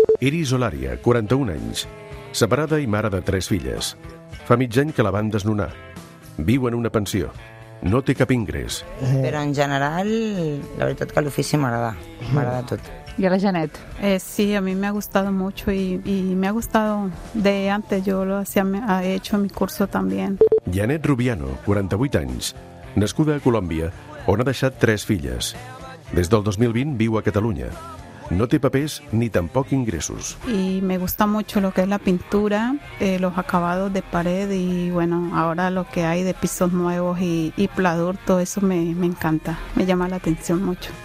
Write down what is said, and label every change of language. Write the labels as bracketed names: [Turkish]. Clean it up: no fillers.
[Catalan] Iris Olària, 41 anys, separada i mare de 3 filles. Fa mig any que la van desnonar. Viu en una pensió. No té cap ingrés. Però en general, la veritat que l'ofici m'agrada. M'agrada tot. I a la Janet? Sí, a mi m'ha gustat molt i m'ha gustat [Spanish] de antes. Jo lo hacía, he hecho mi curso también. [Catalan] Janet Rubiano, 48 anys, nascuda a Colòmbia, on ha deixat 3 filles. Des del 2020 viu a Catalunya. No té papers ni tampoc ingressos. [Spanish] Y me gusta mucho lo que es la pintura, los acabados de pared y bueno, ahora lo que hay de pisos nuevos y pladur, todo eso me encanta, me llama la atención mucho.